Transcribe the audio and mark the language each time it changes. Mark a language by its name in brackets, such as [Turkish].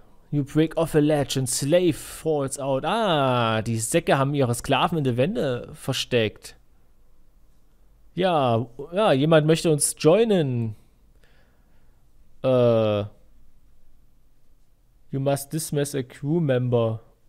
[English] You break off a ledge and slave falls out. [German] Ah, die Säcke haben ihre Sklaven in die Wände versteckt. Ja, jemand möchte uns joinen. [English] You must dismiss a crew member.